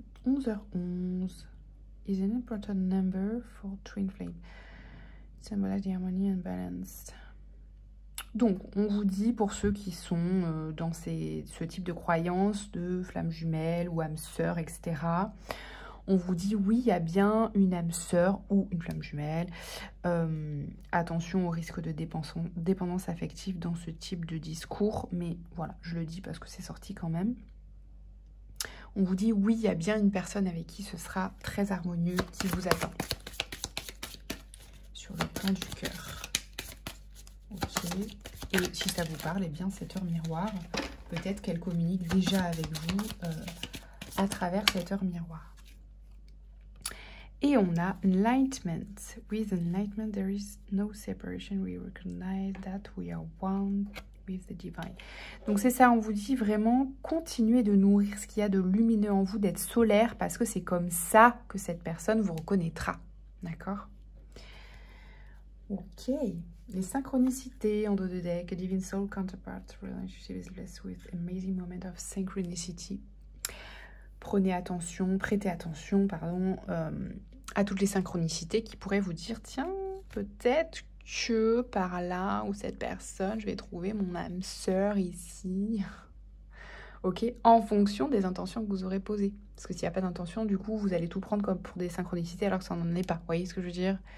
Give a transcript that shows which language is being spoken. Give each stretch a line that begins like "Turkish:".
English: 11h11 is an important number for twin flame. Symbolize the harmony and balance.
French: Donc on vous dit pour ceux qui sont dans ce type de croyance de flamme jumelle ou âme sœur, etc. On vous dit oui, il y a bien une âme sœur ou une flamme jumelle. Attention au risque de dépendance affective dans ce type de discours. Mais voilà, je le dis parce que c'est sorti quand même. On vous dit oui, il y a bien une personne avec qui ce sera très harmonieux, qui vous attend. Sur le plan du cœur. Ok. Et si ça vous parle, eh bien, cette heure miroir, peut-être qu'elle communique déjà avec vous à travers cette heure miroir. Et on a enlightenment.
English: With enlightenment, there is no separation. We recognize that we are one with the divine.
French: Donc c'est ça, on vous dit vraiment, continuez de nourrir ce qu'il y a de lumineux en vous, d'être solaire, parce que c'est comme ça que cette personne vous reconnaîtra. D'accord? Ok. Les synchronicités en dos de deck.
English: A divine soul counterpart. Relationship is blessed with amazing moment of synchronicity.
French: Prenez attention, prêtez attention, pardon, à toutes les synchronicités qui pourraient vous dire, tiens, peut-être que par là ou cette personne, je vais trouver mon âme sœur ici. Ok, en fonction des intentions que vous aurez posées. Parce que s'il n'y a pas d'intention, du coup, vous allez tout prendre comme pour des synchronicités alors que ça n'en est pas. Vous voyez ce que je veux dire?